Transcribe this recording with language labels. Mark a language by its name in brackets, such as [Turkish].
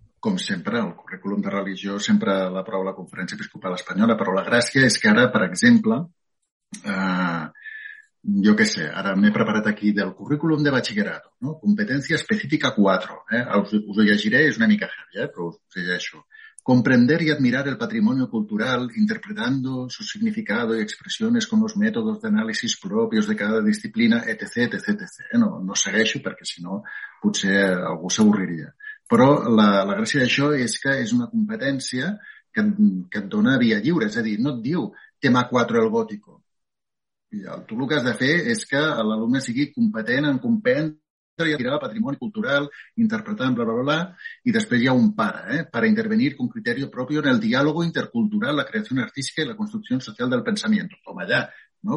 [Catalan] Com sempre, el currículum de religió sempre l'aprova la Conferència Episcopal Espanyola, però la gràcia és que ara, per exemple, Jo què sé, ara m'he preparat aquí del currículum de batxillerat, no? Competència específica 4. Us ho llegiré, és una mica heavy, però us ho llegeixo. [Spanish] Comprender y admirar el patrimonio cultural, interpretando su significado y expresiones con los métodos de análisis propios de cada disciplina, etc., etc., etc. [Catalan] No segueixo perquè, si no, potser algú s'avorriria. Però la gràcia d'això és que és una competència que et dona via lliure. És a dir, no et diu tema 4 el gòtico. Tu el que has de fer és que l'alumne sigui competent en comprendre i admirar el patrimoni cultural, interpretant, bla, bla, bla, i després hi ha un para, [Spanish] para intervenir con criterio propio en el diálogo intercultural, la creación artística y la construcción social del pensamiento. [Catalan] Toma allà, no?